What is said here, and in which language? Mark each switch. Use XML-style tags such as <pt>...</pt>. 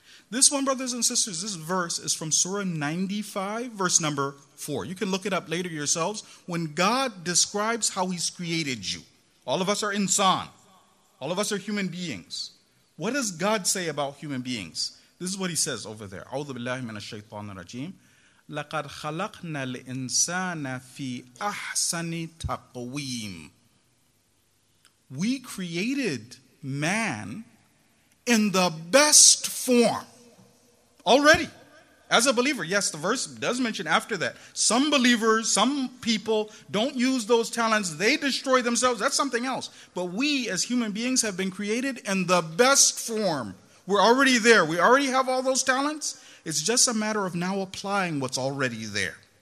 <en>This one, brothers and sisters, this verse is from Surah 95, verse number 4. You can look it up later yourselves. When God describes how he's created you, all of us are insan, all of us are human beings. What does God say about human beings? This is what he says over there.</en> <ar>أَعُوذُ بِاللَّهِ مِنَ الشَّيْطَانِ الرَّجِيمِ لَقَدْ خَلَقْنَا الْإِنسَانَ فِي أَحْسَنِ تَقْوِيمِ</ar> <en>We created man in the best form. Already, as a believer, yes, the verse does mention after that. Some believers, some people don't use those talents. They destroy themselves. That's something else. But we, as human beings, have been created in the best form. We're already there. We already have all those talents. It's just a matter of now applying what's already there.</en>